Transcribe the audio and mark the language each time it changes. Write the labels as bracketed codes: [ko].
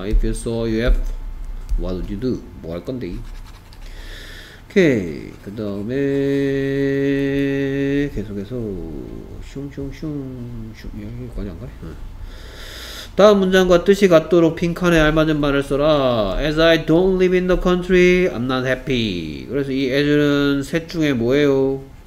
[en] If you saw UFO, what would you do? [ko] 뭐 할 건데? 오케이. 그 다음에 계속해서 슝슝슝슝 여기까지 안 가? 다음 문장과 뜻이 같도록 빈칸에 알맞은 말을 써라. [en] As I don't live in the country, I'm not happy. [ko] 그래서 이 as는 셋 중에 뭐예요?